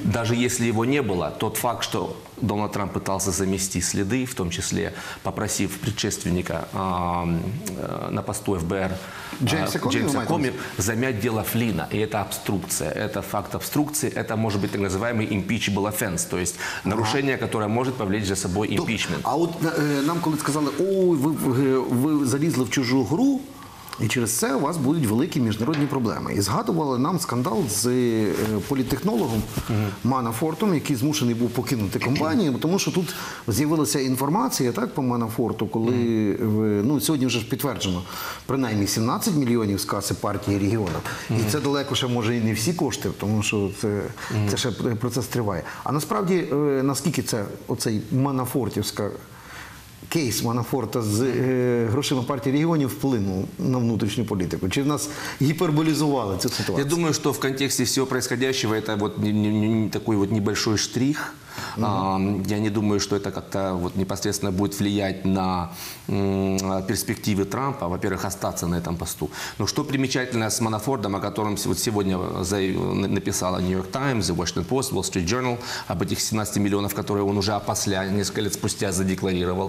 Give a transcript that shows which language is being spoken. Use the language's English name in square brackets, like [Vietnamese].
[Russian] Даже если его не было, тот факт, что Дональд Трамп пытался замести следы, в том числе попросив предшественника на посту ФБР Джеймса Коми замять дело Флина. И это обструкция. Это факт обструкции. Это может быть так называемый [English] impeachable offense. [Russian] То есть нарушение, которое может повлечь за собой импичмент. А вот нам когда сказали, вы залезли в чужую игру, [Ukrainian] і через це у вас будуть великі міжнародні проблеми. І згадували нам скандал з політтехнологом Манафортом, який змушений був покинути компанію, тому що тут з'явилася інформація так, по Манафорту, коли, ну, сьогодні вже ж підтверджено, принаймні 17 мільйонів з каси партії регіонів. І це далеко ще може і не всі кошти, тому що це ще процес триває. А насправді, наскільки це оцей Манафортівська... кейс Манафорта з грошима партії регіонів вплинув на внутрішню політику? Чи в нас гіперболізували цю ситуацію? Я думаю, що в контексті всього происходящего це вот такий небольшой штрих. [Russian] Я не думаю, что это как-то вот непосредственно будет влиять на перспективы Трампа, во-первых, остаться на этом посту. Но что примечательно с Манафортом, о котором вот сегодня написала New York Times, The Washington Post, Wall Street Journal, об этих 17 миллионов, которые он уже опосля, несколько лет спустя задекларировал.